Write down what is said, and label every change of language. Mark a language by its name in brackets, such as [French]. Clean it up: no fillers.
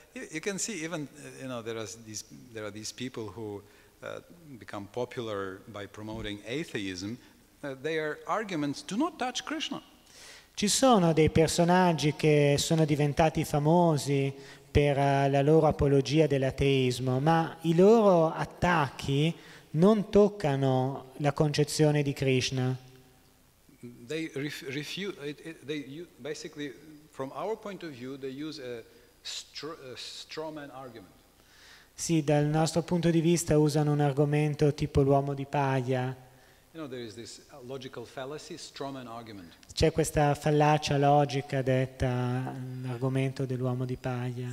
[English] You can see even, you know, there are these people who become popular by promoting atheism, their arguments do not touch Krishna. [Italian] Ci sono dei personaggi che sono diventati famosi per la loro apologia dell'ateismo, ma i loro attacchi non toccano la concezione di Krishna. [English] They refute they basically from our point of view they use a straw man argument. [Italian] Sì, dal nostro punto di vista usano un argomento tipo l'uomo di paglia. [English] You know, there is this logical fallacy, straw man argument. [Italian] C'è questa fallacia logica detta l'argomento dell'uomo di paglia.